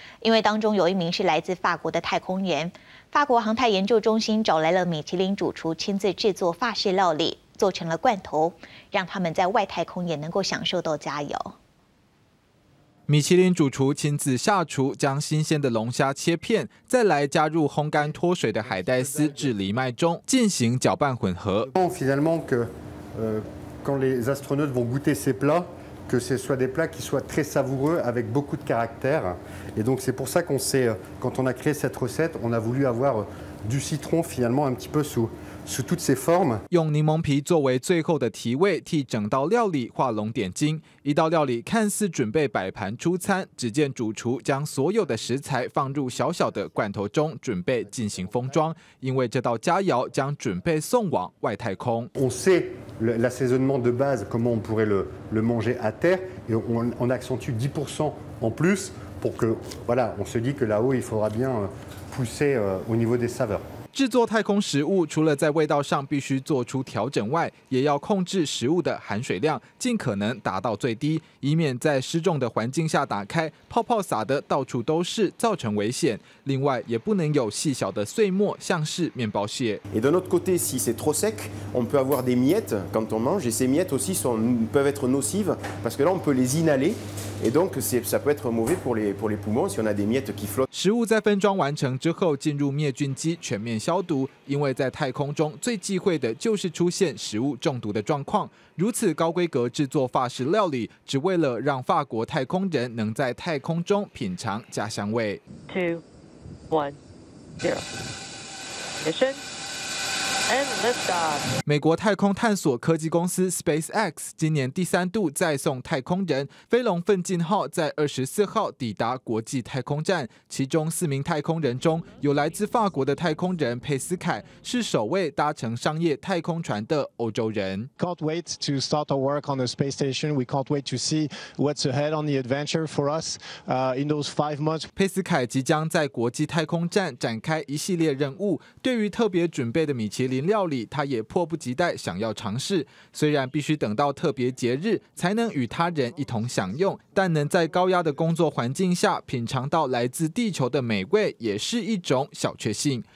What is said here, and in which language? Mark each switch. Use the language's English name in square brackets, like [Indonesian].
[Chinese] 因为当中有一名是来自法国的太空人。法国航太研究中心找来了米其林主厨亲自制作法式料理，做成了罐头，让他们在外太空也能够享受到佳肴。米其林主厨亲自下厨，将新鲜的龙虾切片，再来加入烘干脱水的海带丝至藜麦中进行搅拌混合。 [French] Finalement, que quand les astronautes vont goûter ces plats, que ce soit des plats qui soient très savoureux avec beaucoup de caractère. Et donc c'est pour ça qu'on sait, quand on a créé cette recette, on a voulu avoir du citron finalement un petit peu sous toutes ses formes. [Chinese] 用柠檬皮作为最后的提味，替整道料理画龙点睛。一道料理看似准备摆盘出餐，只见主厨将所有的食材放入小小的罐头中，准备进行封装。因为这道佳肴将准备送往外太空。 [French] On sait l'assaisonnement de base, comment on pourrait le manger à terre, et on accentue 10% en plus. Pour que, voilà, on se dit que là-haut, il faudra bien pousser au niveau des saveurs. [Chinese] 制作太空食物，除了在味道上必须做出调整外，也要控制食物的含水量，尽可能达到最低，以免在失重的环境下打开，泡泡撒得到处都是，造成危险。另外，也不能有细小的碎末，像是面包屑。 [French] Et de notre côté, si c'est trop sec, on peut avoir des miettes quand on mange, et ces miettes aussi peuvent être nocives, parce que là, on peut les inhaler, et donc ça peut être mauvais pour les poumons si on a des miettes qui flottent. [Chinese] 食物在分装完成之后，进入灭菌机全面。消毒，因为在太空中最忌讳的就是出现食物中毒的状况。如此高规格制作法式料理，只为了让法国太空人能在太空中品尝家乡味。 [English] 2 1 0 Mission 美国太空探索科技公司 SpaceX 今年第三度再送太空人，飞龙奋进号在24号抵达国际太空站，其中四名太空人中有来自法国的太空人佩斯凯，是首位搭乘商业太空船的欧洲人。 Can't wait to start our work on the space station. We can't wait to see what's ahead on the adventure for us. In those 5 months, [Chinese] 佩斯凯即将在国际太空站展开一系列任务。对于特别准备的米其林料理，他也迫不及待想要尝试。虽然必须等到特别节日才能与他人一同享用，但能在高压的工作环境下品尝到来自地球的美味，也是一种小确幸。